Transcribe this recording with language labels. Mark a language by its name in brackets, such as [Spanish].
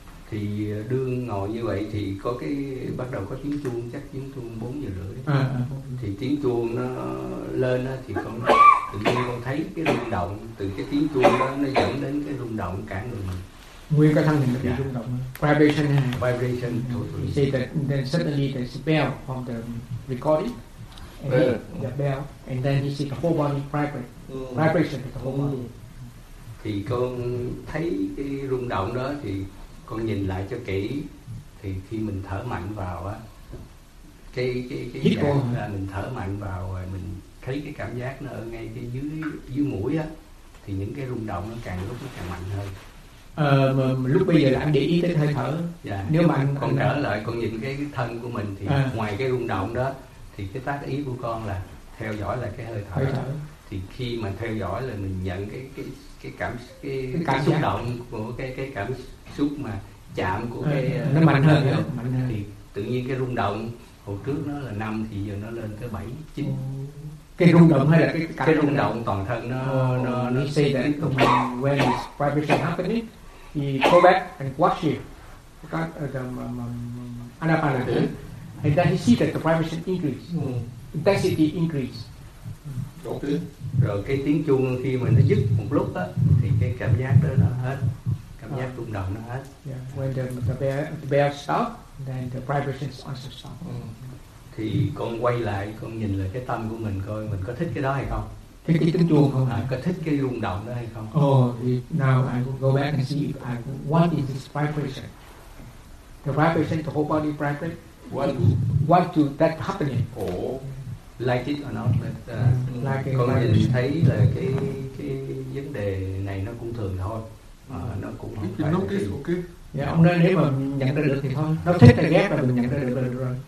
[Vietnamese] Thì đương ngồi như vậy thì có cái bắt đầu có tiếng chuông, chắc tiếng chuông 4:30 thì tiếng chuông nó lên á, thì con tự nhiên con thấy cái rung động từ cái tiếng chuông đó, nó dẫn đến cái rung động cả người mình, nguyên cái thân mình bị rung động. [English] Vibration vibration say that then suddenly there's a bell from the recording and the bell, and then you see the whole body vibration the whole body. [Vietnamese] Thì con thấy cái rung động đó thì con nhìn lại cho kỹ, thì khi mình thở mạnh vào á, cái dạng là mình thở mạnh vào rồi mình thấy cái cảm giác nó ở ngay cái dưới mũi á, thì những cái rung động nó càng lúc nó càng mạnh hơn. Lúc bây giờ là anh để ý tới hơi thở. Dạ. Nếu mà con trở lại con nhìn cái thân của mình thì ngoài cái rung động đó thì cái tác ý của con là theo dõi là cái hơi thở. Thì khi mà theo dõi là mình nhận cái cảm xúc động của cái cảm xúc mà chạm của nó cái mạnh hơn nữa. Thì tự nhiên cái rung động hồi trước nó là 5 thì giờ nó lên tới 7, 9. Cái rung động hay là cái cảm rung động toàn thân nó [English] say [Vietnamese] đến cùng [English] when is vibration happening thì go back and watch it. [Pali] Anapanasati. [English] And then you see that the vibration increase. Intensity increase. [Vietnamese] Rồi cái tiếng chuông khi mà nó dứt một lúc á thì cái cảm giác đó nó hết. Cảm giác rung động nó hết. Yeah. [English] When the bell stop, then the vibration also stop. [Vietnamese] Thì con quay lại con nhìn lại cái tâm của mình coi mình có thích cái đó hay không? Thích cái tiếng chuông không? Có thích cái rung động đó hay không? [English] Now I will go back and see if I what is this vibration? The vibration, the whole body vibration. What do that happening? Like it or not, like [Vietnamese] con nhìn thấy là cái vấn đề này nó cũng thường thôi, nó cũng không phải. Yeah, ông nên nếu mà nhận ra được thì thôi. Nó thích hay ghét là mình nhận ra được rồi.